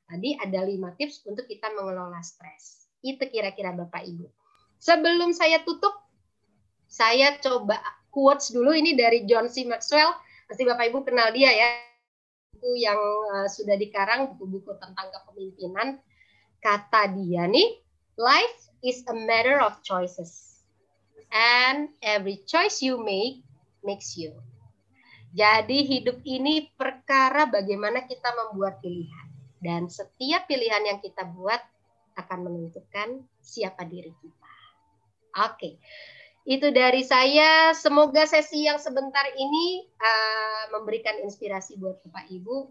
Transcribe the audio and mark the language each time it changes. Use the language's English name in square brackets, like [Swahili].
[Indonesian] Tadi ada 5 tips untuk kita mengelola stres. Itu kira-kira Bapak Ibu. Sebelum saya tutup, saya coba quotes dulu ini dari John C. Maxwell. Pasti Bapak Ibu kenal dia ya. Buku yang sudah dikarang, buku-buku tentang kepemimpinan. Kata dia nih, [English] life is a matter of choices. And every choice you make, makes you. [Indonesian] Jadi hidup ini perkara bagaimana kita membuat pilihan. Dan setiap pilihan yang kita buat akan menentukan siapa diri kita. Oke, itu dari saya. Semoga sesi yang sebentar ini memberikan inspirasi buat Bapak Ibu.